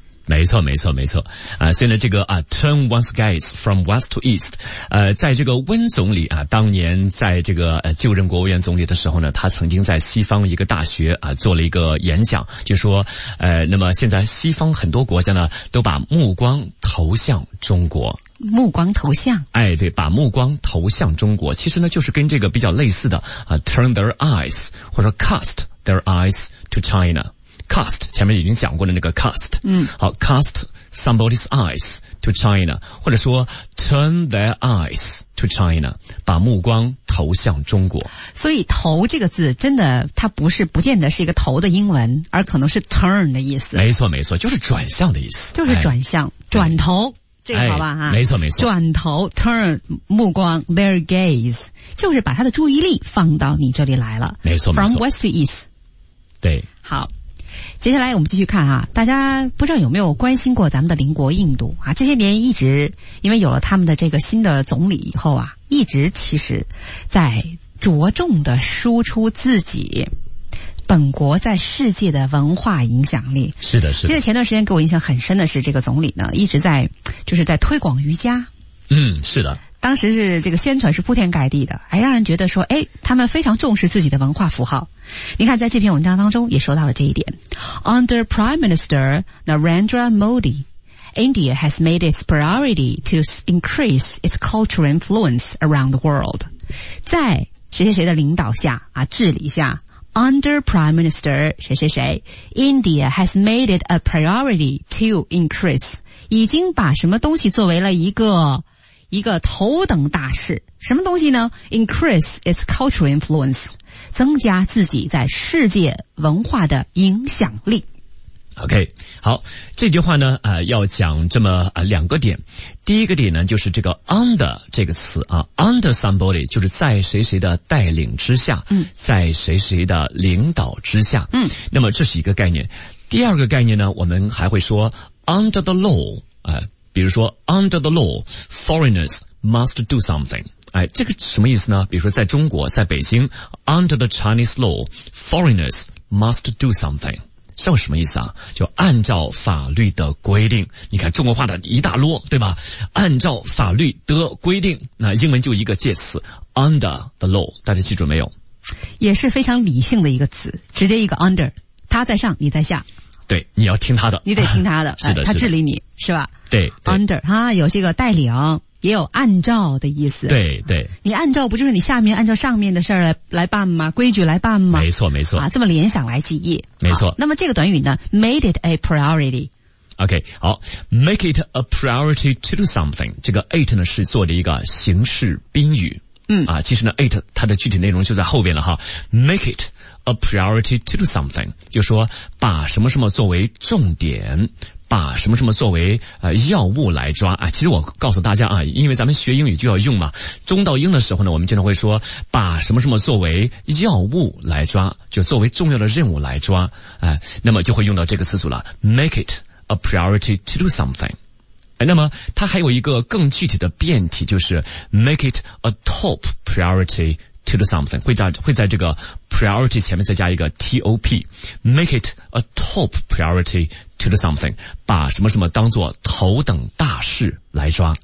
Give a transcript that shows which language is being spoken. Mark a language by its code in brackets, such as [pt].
[zh] 没错没错没错啊，现在这个啊 Turn one skies from west to east，在这个温总理啊当年在这个就任国务院总理的时候呢，他曾经在西方一个大学啊做了一个演讲，就说那么现在西方很多国家呢都把目光投向中国。目光投向，哎，对，把目光投向中国，其实呢就是跟这个比较类似的啊 ，turn their eyes 或者 cast their eyes to China， cast 前面已经讲过的那个 cast，嗯，好 ， cast somebody's eyes to China，或者说 turn their eyes to China，把目光投向中国。所以“投”这个字真的，它不是不见得是一个“投”的英文，而可能是 turn 的意思。没错，没错，就是转向的意思，就是转向，哎、转头。这个好吧、哎、没错没错，转头 turn 目光 their gaze 就是把他的注意力放到你这里来了，没错 [en] from west to east， [zh] 对，好，接下来我们继续看啊，大家不知道有没有关心过咱们的邻国印度啊？这些年一直因为有了他们的这个新的总理以后啊，一直其实在着重的输出自己本国在世界的文化影响力。是的是的。记得前段时间给我印象很深的是这个总理呢一直在就是在推广瑜伽。嗯，是的。当时是这个宣传是铺天盖地的，还让人觉得说诶他们非常重视自己的文化符号。你看在这篇文章当中也说到了这一点。 [en] Under Prime Minister Narendra Modi, India has made its priority to increase its cultural influence around the world. [zh] 在谁谁谁的领导下啊治理下 Under Prime Minister 谁谁谁 India has made it a priority to increase 已经把什么东西作为了一个头等大事，什么东西呢？ Increase its cultural influence，增加自己在世界文化的影响力。 OK， 好，这句话呢要讲这么两个点。第一个点呢就是这个 under 这个词啊， under somebody 就是在谁谁的带领之下，嗯，在谁谁的领导之下，嗯，那么这是一个概念。 [en] 第二个概念呢我们还会说 under the law，比如说 under the law foreigners must do something。 [zh] 哎，这个什么意思呢？ [en] 比如说在中国在北京 under the Chinese law foreigners must do something。 [zh] 这什么意思啊？就按照法律的规定，你看中国话的一大摞，对吧？按照法律的规定，那英文就一个介词 under the law， 大家记住没有？也是非常理性的一个词，直接一个 under， 他在上，你在下。对，你要听他的，你得听他的，啊、是的，他治理你是吧？对，under 哈、啊，有这个带领，也有按照的意思。对对，你按照不就是你下面按照上面的事儿来办吗？规矩来办吗？没错没错啊，这么联想来记忆，没错。那么这个短语呢 ，made it a priority。 [en] OK，好，make it a priority to do something。 [zh] 这个 it 呢是做的一个形式宾语。嗯啊，其实呢 ，it 它的具体内容就在后边了哈。 Make it a priority to do something，就说把什么什么作为重点，把什么什么作为要务来抓啊。其实我告诉大家啊，因为咱们学英语就要用嘛，中到英的时候呢，我们经常会说把什么什么作为要务来抓，就作为重要的任务来抓啊。那么就会用到这个词组了 ， make it a priority to do something。那么它还有一个更具体的变体，就是 make it a top priority to do something，会在这个 priority 前面再加一个 top， make it a top priority to do something， 把什么什么当作头等大事来抓。